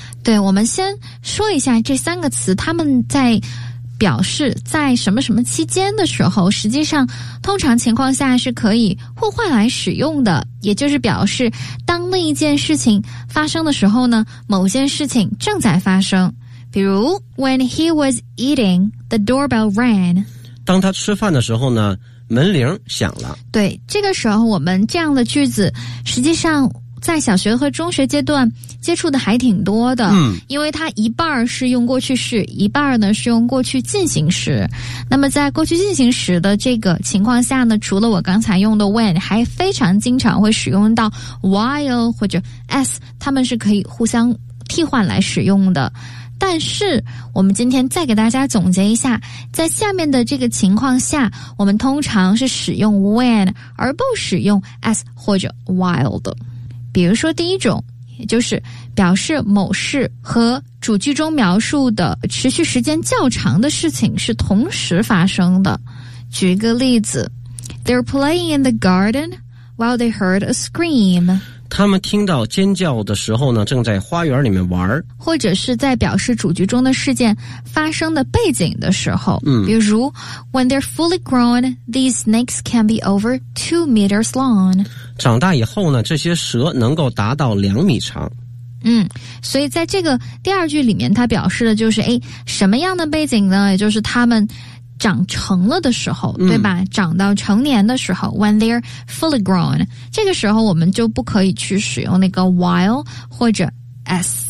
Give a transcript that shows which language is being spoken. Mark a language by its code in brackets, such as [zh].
[zh] 对，我们先说一下这三个词，他们在表示在什么什么期间的时候，实际上通常情况下是可以互换来使用的，也就是表示当另一件事情发生的时候呢，某件事情正在发生。比如 [en] When he was eating, the doorbell rang。 [zh] 当他吃饭的时候呢，门铃响了。对，这个时候我们这样的句子实际上在小学和中学阶段接触的还挺多的。嗯，因为它一半是用过去式，一半呢是用过去进行时。那么在过去进行时的这个情况下呢，除了我刚才用的 when， 还非常经常会使用到 while 或者 as， 它们是可以互相替换来使用的。但是我们今天再给大家总结一下，在下面的这个情况下，我们通常是使用 when 而不使用 as 或者 while 的。比如说第一种，也就是表示某事和主句中描述的持续时间较长的事情是同时发生的。举一个例子， [en] They're playing in the garden while they heard a scream。 [zh] 他们听到尖叫的时候呢，正在花园里面玩。或者是在表示主句中的事件发生的背景的时候。嗯，比如 [en] When they're fully grown, these snakes can be over 2 meters long。 [zh] 长大以后呢，这些蛇能够达到2米长。嗯，所以在这个第二句里面，它表示的就是，哎，什么样的背景呢？也就是他们长成了的时候，对吧？长到成年的时候，嗯， [en] when they're fully grown， [zh] 这个时候我们就不可以去使用那个 while 或者 as，